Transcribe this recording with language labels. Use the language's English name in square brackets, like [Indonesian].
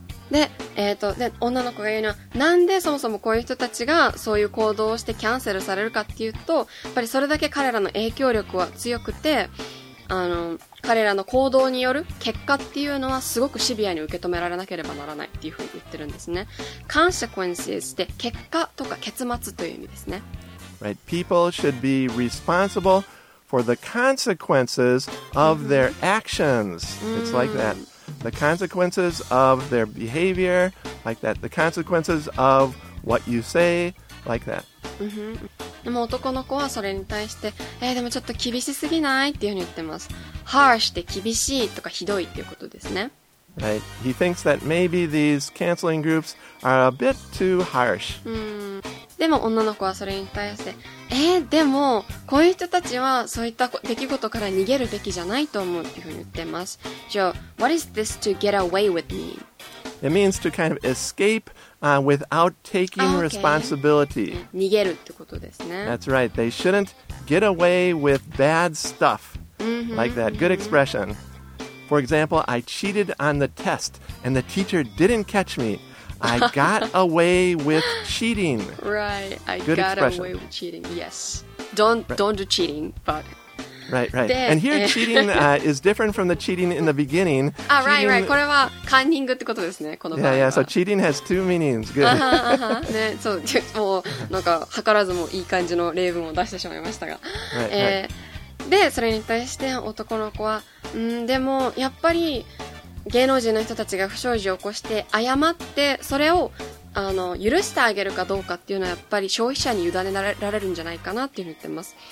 [Japanese] で、で、女の子が言うのは、なんでそもそもこういう人たちがそういう行動をしてキャンセルされるかっていうと、やっぱりそれだけ彼らの影響力は強くて、あの、彼らの行動による結果っていうのはすごくシビアに受け止められなければならないっていうふうに言ってるんですね。 Consequences で結果とか結末という意味ですね。 [English] Right. People should be responsible for the consequences of their actions. It's like that. The consequences of their behavior, like that. The consequences of what you say, like that. [Japanese] でも男の子はそれに対して、でもちょっと厳しすぎないっていうふうに言ってます。 Harsh で厳しいとかひどいっていうことですね。 [English] Right. He thinks that maybe these canceling groups are a bit too harsh. [Japanese] でも女の子はそれに対して、でもこういう人たちはそういった出来事から逃げるべきじゃないと思うっていうふうに言ってます。 [English] So, what is this to get away with me? It means to kind of escape without taking responsibility. [Japanese] 逃げるってことですね。 [English] That's right. They shouldn't get away with bad stuff. Like that. Good expression. For example, I cheated on the test and the teacher didn't catch me. I got away with cheating. Right. I got away with cheating. Yes. Don't do cheating, but... Right, right. And here cheating is different from the cheating in the beginning. Right, right. [Japanese] これはカンニングってことですね。この場合は。 [English] Yeah, yeah. So cheating has two meanings. Good. [Japanese] ね、そう、もうなんか計らずもいい感じの例文を出してしまいましたが。 [English] Right, [Japanese] で、それに対して男の子は、でもやっぱり芸能人の人たちが不祥事を起こして謝ってそれをあの許してあげるかどうかっていうのはやっぱり消費者に委ねられるんじゃないかなっていうふうに言ってます。